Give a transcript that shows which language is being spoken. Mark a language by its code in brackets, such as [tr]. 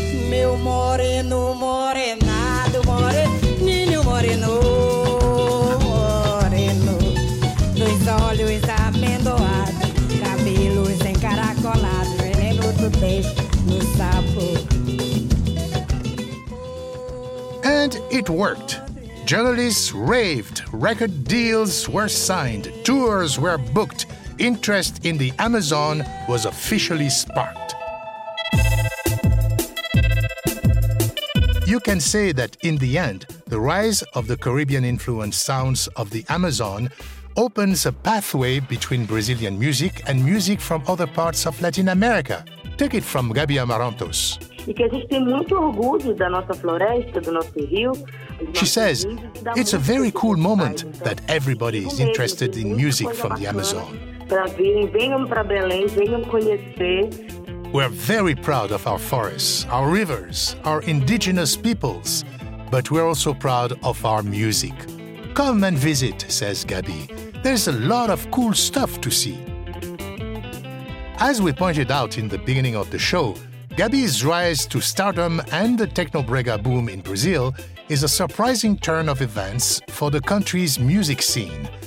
[pt] Meu moreno, morenado, more, ninho moreno, moreno, dois olhos amendoados, cabelos encaracolados, lembro do peixe no sapo. [en] And it worked. Journalists raved, record deals were signed, tours were booked, interest in the Amazon was officially sparked. You can say that in the end, the rise of the Caribbean-influenced sounds of the Amazon opens a pathway between Brazilian music and music from other parts of Latin America. Take it from Gabi Amarantos. [pt] e que a gente tem muito orgulho da nossa floresta, do nosso rio. [en] She says it's a very cool moment that everybody is interested in music from the Amazon. [pt] Para virem, venham para Belém, venham conhecer. [en] We're very proud of our forests, our rivers, our indigenous peoples, but we're also proud of our music. Come and visit, says Gabi. There's a lot of cool stuff to see. As we pointed out in the beginning of the show, Gabi's rise to stardom and the Technobrega boom in Brazil is a surprising turn of events for the country's music scene.